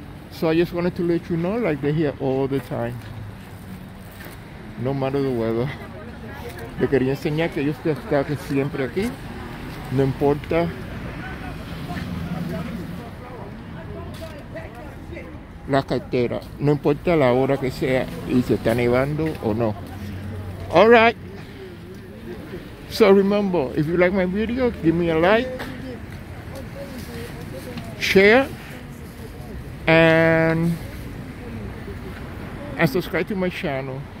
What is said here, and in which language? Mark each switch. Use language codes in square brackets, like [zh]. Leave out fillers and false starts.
[en] So I just wanted to let you know, like, they're here all the time, no matter the weather. [es] Te quería enseñar que ellos están siempre aquí, no importa. La cartera, no importa la hora que sea y se está nevando o no. [en] All right. So remember, if you like my video, give me a like, share, and subscribe to my channel.